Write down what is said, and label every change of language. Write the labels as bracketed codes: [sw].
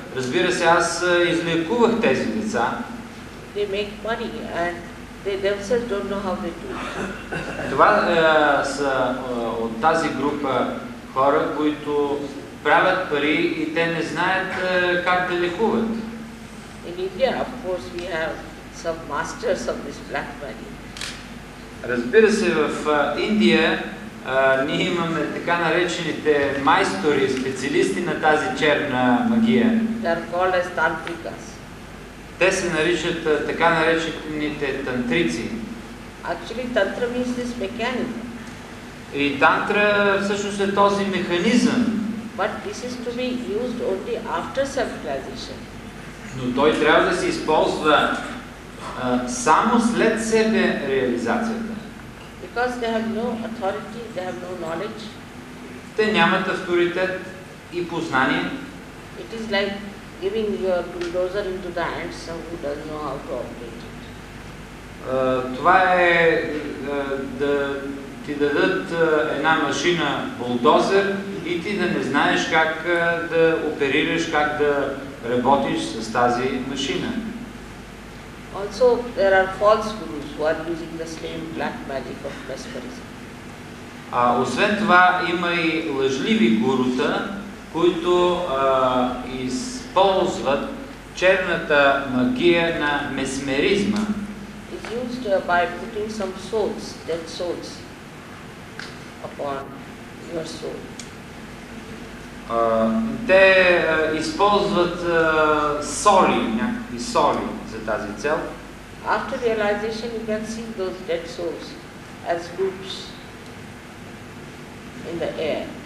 [bg] Разбира се, аз излекувах тези деца. [en] They make money and they themselves don't know how they do it. [bg] Това са от тази група хора, които правят пари и те не знаят как да лекуват. [en] In India, of course, we have some masters of this black money. [bg] Разбира се, в Индия ние имаме така наречените майстори, специалисти на тази черна магия. [en] They are called as tantrikas. [bg] Те се наричат така наречените тантрици. [en] Actually, tantra means this mechanism. [bg] И тантра всъщност е този механизъм. [en] But this is to be used only after self-realization. [bg] Но той трябва да се използва само след себе реализацията. [en] Because they have no authority, they have no knowledge. [bg] Те нямат авторитет и познание. [en] It is like giving your bulldozer into the hands of who doesn't know how to operate it. [bg] Това е да ти дадат една машина булдозер и ти да не знаеш как да оперираш, как да работиш с тази машина. [en] Also, there are false gurus who are using the same black magic of mesmerism. [bg] Освен това, има и лъжливи гурута, които използват черната магия на месмеризма. [en] It's used by putting some souls, dead souls, upon your soul. [bg] Те използват соли, някакви соли за тази цел. [en] After realization, you can see those dead souls as groups in the air.